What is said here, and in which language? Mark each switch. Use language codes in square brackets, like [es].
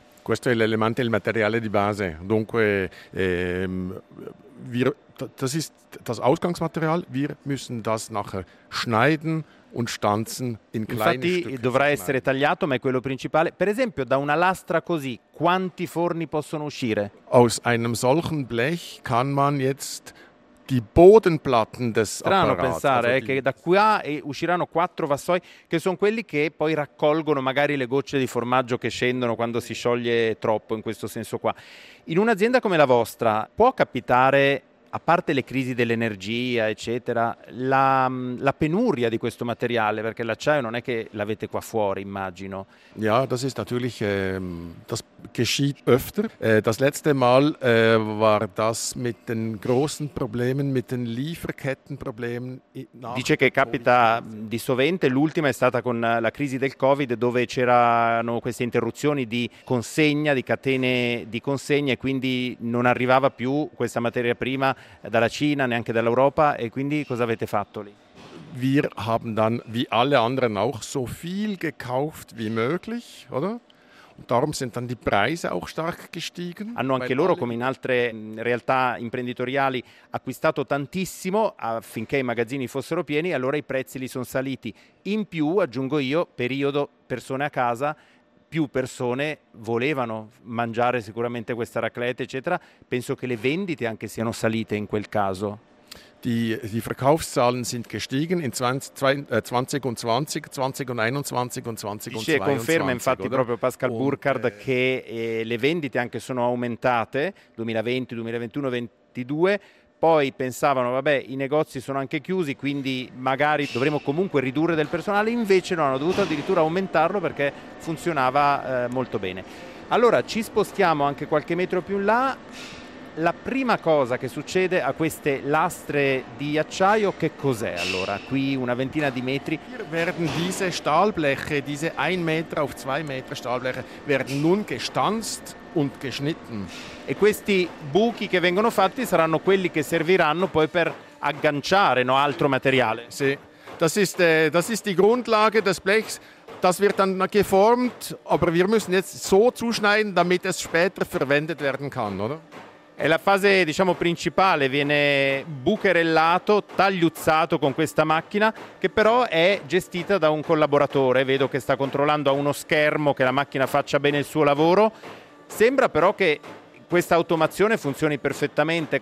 [it] Questo è l'elemento, il materiale di base, dunque [de] das ist das Ausgangsmaterial, wir müssen das nachher schneiden und stanzen in kleine Stücke. [it] Infatti dovrà essere tagliato, ma è quello principale. Per esempio, da una lastra così, quanti forni possono uscire? [de] Aus einem solchen Blech kann man jetzt die Bodenplatten des Apparats. [it] Strano pensare che da qua usciranno 4 vassoi, che sono quelli che poi raccolgono magari le gocce di formaggio che scendono quando si scioglie troppo, in questo senso qua. In un'azienda come la vostra può capitare, a parte le crisi dell'energia, eccetera, la penuria di questo materiale, perché l'acciaio non è che l'avete qua fuori, immagino. [de] Ja, das ist natürlich, das geschieht öfter. Das letzte Mal war das mit den großen Problemen, mit den Lieferkettenproblemen. [it] Dice che capita di sovente, l'ultima è stata con la crisi del Covid, dove c'erano queste interruzioni di consegna, di catene di consegna, e quindi non arrivava più questa materia prima dalla Cina, neanche dall'Europa, e quindi cosa avete fatto lì? [de] Wir haben dann, wie alle anderen auch, so viel gekauft wie möglich, oder? Und darum sind dann die Preise auch stark gestiegen. [it] Hanno anche loro, come in altre realtà imprenditoriali, acquistato tantissimo affinché i magazzini fossero pieni, allora i prezzi li sono saliti. In più, aggiungo io, periodo persone a casa, più persone volevano mangiare sicuramente questa raclette, eccetera. Penso che le vendite anche siano salite in quel caso. [de] Die Verkaufszahlen sind gestiegen in 2021 [it] e conferma infatti oder? Proprio Pascal Burkhardt che le vendite anche sono aumentate 2020, 2021, 2022. Poi pensavano, vabbè, i negozi sono anche chiusi, quindi magari dovremo comunque ridurre del personale. Invece no, hanno dovuto addirittura aumentarlo perché funzionava molto bene. Allora, ci spostiamo anche qualche metro più in là. La prima cosa che succede a queste lastre di acciaio, che cos'è allora? Qui una ventina di metri. [de] Hier werden diese Stahlbleche, diese 1 Meter auf 2 Meter Stahlbleche, werden nun gestanzt. Und geschnitten. [it] E questi buchi che vengono fatti saranno quelli che serviranno poi per agganciare, no, altro materiale. Sì. [de] Das ist die Grundlage des Blechs. Das wird dann geformt, aber wir müssen jetzt so zuschneiden, damit es später verwendet werden kann, oder? [it] È la fase, diciamo, principale, viene bucherellato, tagliuzzato con questa macchina, che però è gestita da un collaboratore. Vedo che sta controllando a uno schermo che la macchina faccia bene il suo lavoro. Sembra però che questa automazione funzioni perfettamente.